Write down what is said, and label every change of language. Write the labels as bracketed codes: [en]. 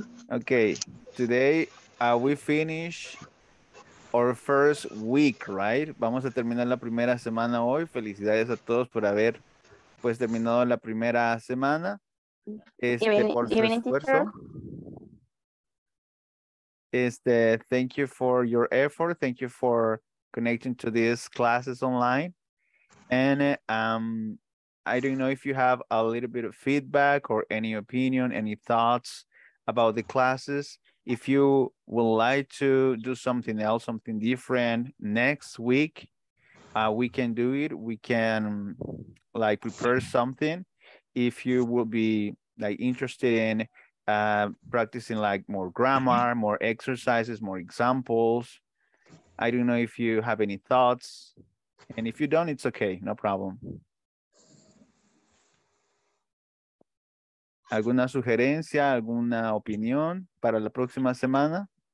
[en] Okay, today we finish our first week, right? [es] Vamos a terminar la primera semana hoy. Felicidades a todos por haber pues terminado la primera semana. Por su esfuerzo. [en] Thank you for your effort. Thank you for connecting to these classes online. And I don't know if you have a little bit of feedback or any opinion, any thoughts about the classes. If you would like to do something else, something different next week, we can do it. We can like prepare something. If you will be like interested in practicing like more grammar, more exercises, more examples. I don't know if you have any thoughts. And if you don't, it's okay, no problem. [es] ¿Alguna sugerencia, alguna opinión para la próxima semana?